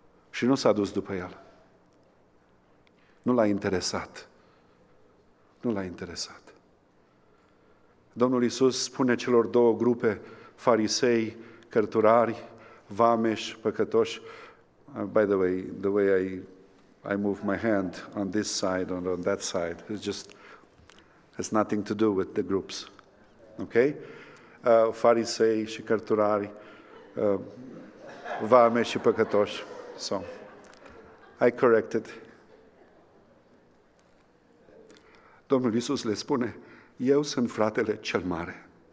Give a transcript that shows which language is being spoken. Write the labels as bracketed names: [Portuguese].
[Romanian] Și nu s-a dus după el. Nu l-a interesat. Nu l-a interesat. Domnul Iisus spune celor două grupe, farisei, cărturari, vameși, păcătoși. [English] By the way, I move my hand on this side or on that side. It's just, has nothing to do with the groups. Ok? [Romanian] Farisei și cărturari, vameși și păcătoși. [English] So, I corrected. [Romanian] Domnul Iisus le spune, eu sunt fratele cel mare.